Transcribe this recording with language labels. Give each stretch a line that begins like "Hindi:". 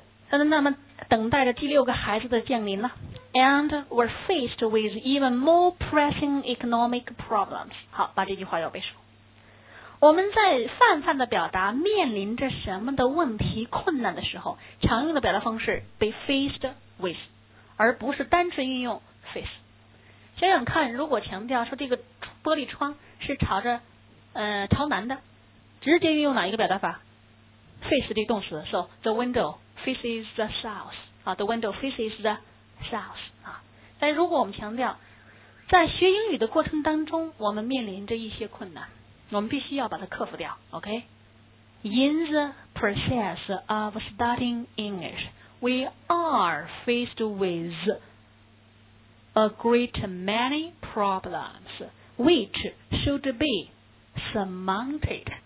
Chinese: 那么等待着第六个孩子的降临了
English: and were faced with even more pressing economic problems.
Chinese: 好，把这句话要背熟。我们在泛泛的表达面临着什么的问题困难的时候，常用的表达方式 be faced with， 而不是单纯运用 face。想想看，如果强调说这个玻璃窗是朝着朝南的，直接运用哪一个表达法？
English: face
Chinese: 这个动词，
English: so the window faces the south， 啊， the window faces the south， 啊。
Chinese: 但如果我们强调在学英语的过程当中，我们面临着一些困难，我们必须要把它克服掉， OK?
English: In the process of studying English, we are faced with a great many problems which should be surmounted.